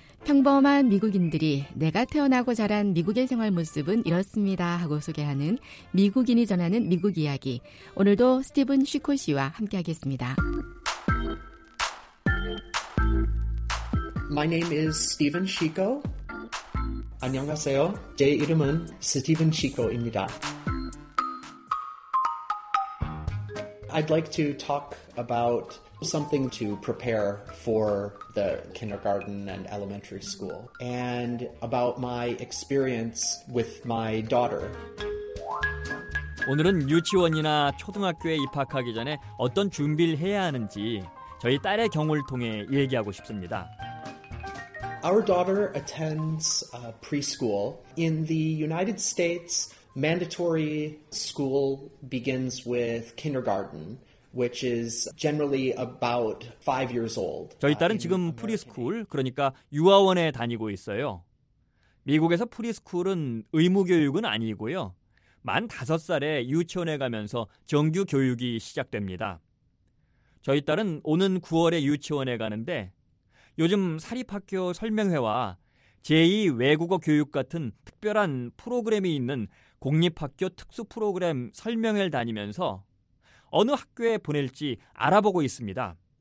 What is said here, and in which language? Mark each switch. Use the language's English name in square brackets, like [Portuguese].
[Korean] 평범한 미국인들이 내가 태어나고 자란 미국의 생활 모습은 이렇습니다 하고 소개하는 미국인이 전하는 미국 이야기. 오늘도 스티븐 쉬코 씨와 함께하겠습니다. [English] My name is Stephen Shiko. [Korean] 안녕하세요. 제 이름은 스티븐 쉬코입니다. [English] I'd like to talk about something to prepare for the kindergarten and elementary school, and about my experience with my daughter. [Korean] 오늘은 유치원이나 초등학교에 입학하기 전에 어떤 준비를 해야 하는지 저희 딸의 경우를 통해 얘기하고 싶습니다. [English] Our daughter attends preschool in the United States. Mandatory school begins with kindergarten, which is generally about 5 years old. [Korean] 저희 딸은 지금 프리스쿨, 그러니까 유아원에 다니고 있어요. 미국에서 프리스쿨은 의무 교육은 아니고요. 만 5살에 유치원에 가면서 정규 교육이 시작됩니다. 저희 딸은 오는 9월에 유치원에 가는데 요즘 사립학교 설명회와 제2 외국어 교육 같은 특별한 프로그램이 있는 공립학교 특수 프로그램 설명회를 다니면서 어느 학교에 보낼지 알아보고 있습니다.